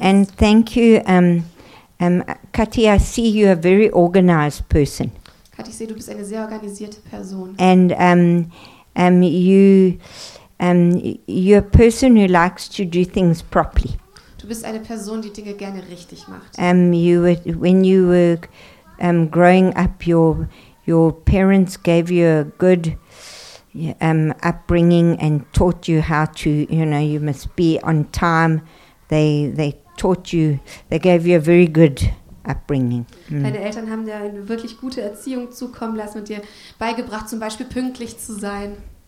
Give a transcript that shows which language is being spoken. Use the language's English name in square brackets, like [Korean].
[English] And thank you, Kati, I see you are a very organized person. [German] Kati, ich sehe, du bist eine sehr organisierte Person. [English] And you're a person who likes to do things properly. [German] Du bist eine Person, die Dinge gerne richtig macht. [English] When you were growing up, your parents gave you a good upbringing and taught you how to, you know, you must be on time. They gave you a very good upbringing. [German] Deine Eltern haben dir eine wirklich gute Erziehung zukommen lassen und dir beigebracht, zum Beispiel pünktlich zu sein.